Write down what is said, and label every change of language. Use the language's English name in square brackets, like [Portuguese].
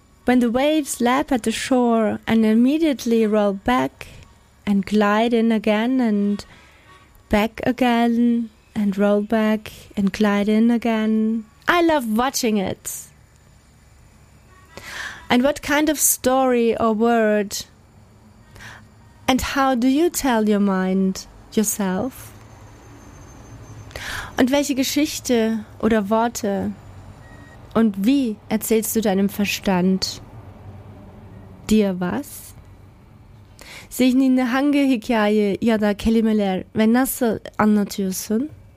[English] when the waves lap at the shore and immediately roll back and glide in again and back again and roll back and glide in again. I love watching it. And what kind of story or word? And how do you tell your mind, yourself? [German] Und welche Geschichte oder Worte? Und wie erzählst du deinem Verstand dir was? [Turkish] Zihninde hangi hikaye ya da kelimeler ve nasıl anlatıyorsun?